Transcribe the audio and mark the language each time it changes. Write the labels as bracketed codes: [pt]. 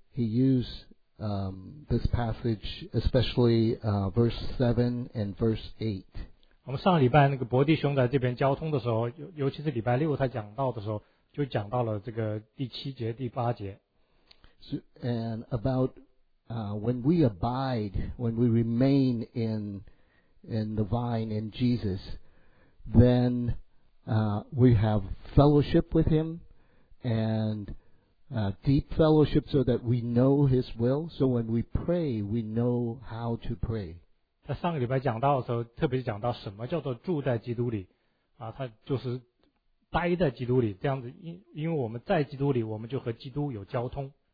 [en] He used this passage, especially verse 7 and verse 8. [zh] 我们上礼拜那个伯弟兄在这边交通的时候，尤其是礼拜六他讲道的时候，就讲到了这个第七节、第八节。 [en] And about when we abide, when we remain in the vine in Jesus, then we have fellowship with him and deep fellowship so that we know his will. So when we pray, we know how to pray. [zh] 他上个礼拜讲到的时候特别讲到什么叫做住在基督里啊，他就是待在基督里，这样子因为我们在基督里，我们就和基督有交通。